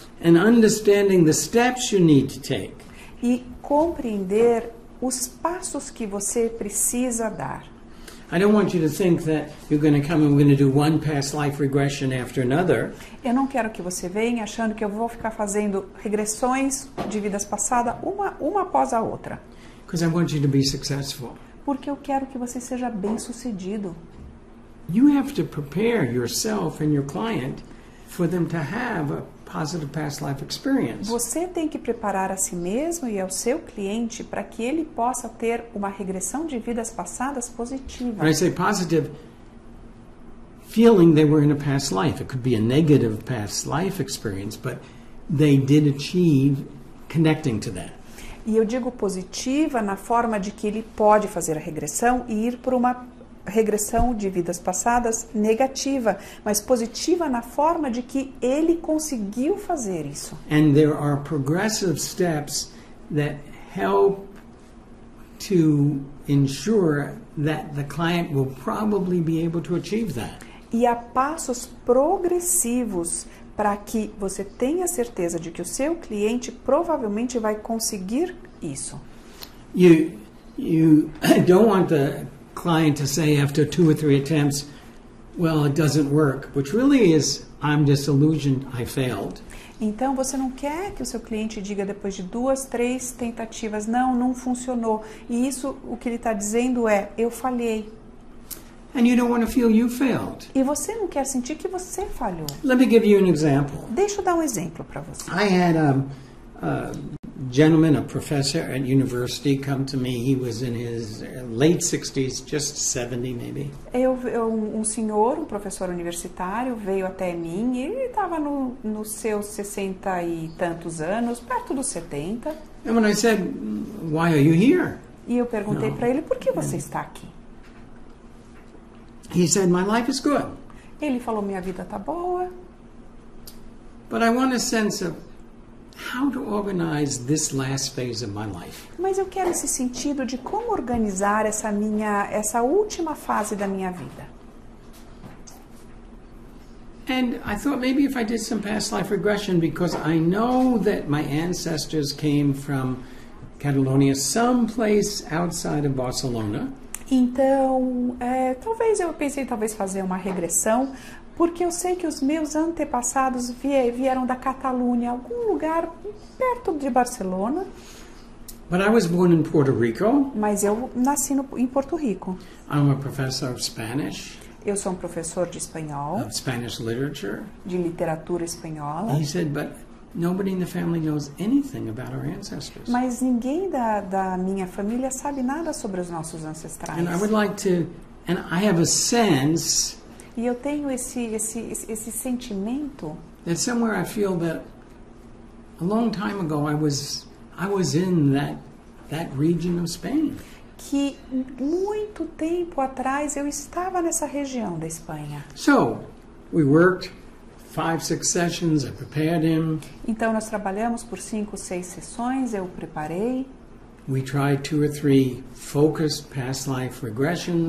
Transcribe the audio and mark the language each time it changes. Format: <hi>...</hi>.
<en>And understanding the steps you need to take.</en> <pt>E compreender os passos que você precisa dar.</pt> <en>I don't want you to think that you're going to come and we're going to do one past life regression after another.</en> <pt>Eu não quero que você venha achando que eu vou ficar fazendo regressões de vidas passadas uma após a outra.</pt> <en>Because I want you to be successful.</en> <pt>Porque eu quero que você seja bem sucedido.</pt> <en>You have to prepare yourself and your client for them to have a positive past life experience.</en> <pt>Você tem que preparar a si mesmo e ao seu cliente para que ele possa ter uma regressão de vidas passadas positiva.</pt> <en>When I say positive, feeling they were in a past life. It could be a negative past life experience, but they did achieve connecting to that.</en> <pt>E eu digo positiva na forma de que ele pode fazer a regressão e ir para uma regressão de vidas passadas negativa, mas positiva na forma de que ele conseguiu fazer isso.</pt> <en>And there are progressive steps that help to ensure that the client will probably be able to achieve that.</en> <pt>E há passos progressivos para que você tenha certeza de que o seu cliente provavelmente vai conseguir isso.</pt> <en>You don't want the client to say after two or three attempts, Well, it doesn't work, which really is, I'm disillusioned, I failed.</en> <pt>Então, você não quer que o seu cliente diga depois de duas, três tentativas, não, não funcionou. E isso, o que ele está dizendo é, eu falhei.</pt> <en>And you don't want to feel you failed.</en> <pt>E você não quer sentir que você falhou.</pt> <en>Let me give you an example.</en> <pt>Deixa eu dar um exemplo para você.</pt> <en>I had a gentleman, a professor at university, come to me. He was in his late 60s, just 70 maybe.</en> <pt>Um senhor, um professor universitário, veio até mim e ele estava no seus 60 e tantos anos, perto dos 70.</pt> <en>And when I said, why are you here?</en> <pt>E eu perguntei para ele, por que você está aqui?</pt> <en>He said, my life is good.</en> <pt>Ele falou, minha vida está boa.</pt> <en>But I want a sense of how to organize this last phase of my life.</en> <pt>Mas eu quero esse sentido de como organizar essa última fase da minha vida.</pt> <en>And I thought maybe if I did some past life regression, because I know that my ancestors came from Catalonia, someplace outside of Barcelona.</en> <pt>Então, talvez fazer uma regressão, porque eu sei que os meus antepassados vieram da Catalunha, algum lugar perto de Barcelona.</pt> <en>But I was born in Puerto Rico.</en> <pt>Mas eu nasci em Porto Rico.</pt> <en>I'm a professor of Spanish.</en> <pt>Eu sou um professor de espanhol.</pt> <en>Of Spanish literature.</en> <pt>De literatura espanhola.</pt> <en>He said, but nobody in the family knows anything about our ancestors.</en> <pt>Mas ninguém da minha família sabe nada sobre os nossos ancestrais.</pt> <en>And I would like to, and I have a sense.</en> <pt>E eu tenho esse sentimento.</pt> <en>That somewhere I feel that a long time ago I was in that region of Spain.</en> <pt>Que muito tempo atrás eu estava nessa região da Espanha.</pt> <en>So, we worked 5-6 sessions, I prepared him.</en> <pt>Então nós trabalhamos por 5-6 sessões, eu preparei.</pt> <en>We tried 2 or 3 focused past life regressions.</en>